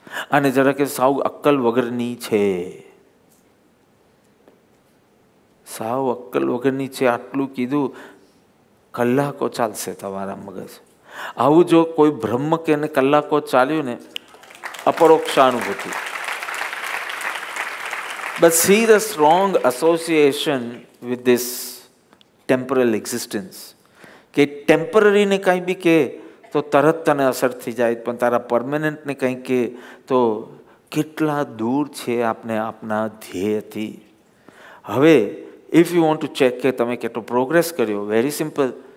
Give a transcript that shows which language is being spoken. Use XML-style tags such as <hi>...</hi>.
<gu>અને જરા કે સાવ અક્કલ વગરની છે, સાવ અક્કલ વગરની છે. આટલું કીધું કલાકો ચાલશે તમારા મગજ. આવું જો કોઈ બ્રહ્મ કે ને કલાકો ચાલ્યું ને, અપરોક્ષાનુભૂતિ.</gu> <en>But see the strong association with this temporal existence.</en> <gu>કે ટેમ્પરરી ને કંઈ બી કે તો તરત તને અસર થઈ જાય, પણ તારા પરમેનન્ટ ને કંઈ કે તો કેટલા દૂર છે આપણે આપના ધ્યેયથી.</gu> <en>હવે if you want to check</en> <gu>કે તમે કેટલો પ્રોગ્રેસ કર્યો,</gu> <en>Very simple.</en>